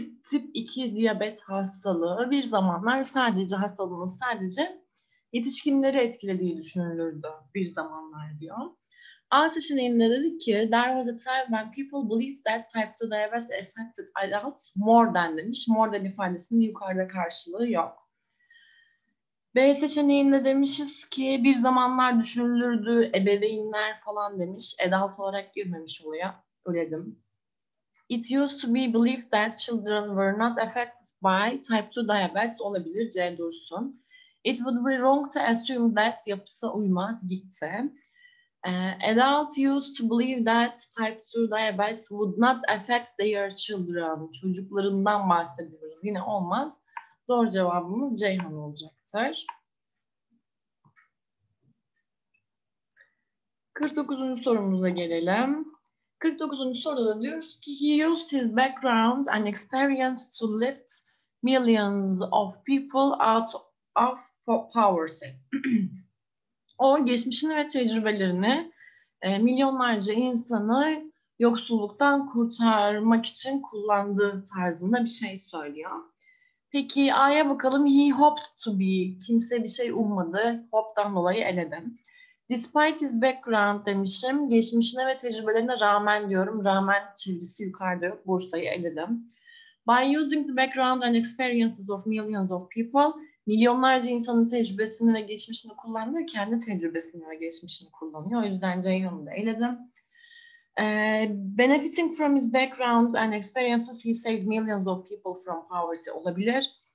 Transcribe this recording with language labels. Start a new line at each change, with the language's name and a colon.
Turkish: Tip 2 diyabet hastalığı bir zamanlar sadece hastalığın sadece yetişkinleri etkilediği düşünülürdü bir zamanlar diyor. A seçeneğinde dedik ki
English: there was a time when people believed that Type 2 diabetes affected adults more than
Turkish: demiş. More than ifadesinin yukarıda karşılığı yok. B seçeneğinde demişiz ki bir zamanlar düşünülürdü ebeveynler falan demiş. Adult olarak girmemiş oluyor. Öyledim.
English: It used to be believed that children were not affected by type 2 diabetes
Turkish: olabilir. C dursun.
English: It would be wrong to assume that
Turkish: yapısı uymaz. Gitti.
English: Adult used to believe that type 2 diabetes would not affect their children.
Turkish: Çocuklarından bahsediyoruz. Yine olmaz. Doğru cevabımız Ceyhan olacaktır. 49. sorumuza gelelim. 49. soruda da diyoruz ki
English: he used his background and experience to lift millions of people out of poverty.
Turkish: O geçmişini ve tecrübelerini milyonlarca insanı yoksulluktan kurtarmak için kullandığı tarzında bir şey söylüyor. Peki A'ya bakalım.
English: He hoped to be.
Turkish: Kimse bir şey ummadı. Hope'dan dolayı eledim.
English: Despite his background
Turkish: demişim. Geçmişine ve tecrübelerine rağmen diyorum. Rağmen çizgisi yukarıda yok. Bursa'yı eledim.
English: By using the background and experiences of millions of people.
Turkish: Milyonlarca insanın tecrübesini ve geçmişini kullanmıyor. Kendi tecrübesini ve geçmişini kullanıyor. O yüzden Ceyhun'u da eledim.
English: Benefiting from his background and experiences, he saved millions of people from poverty
Turkish: olabilir.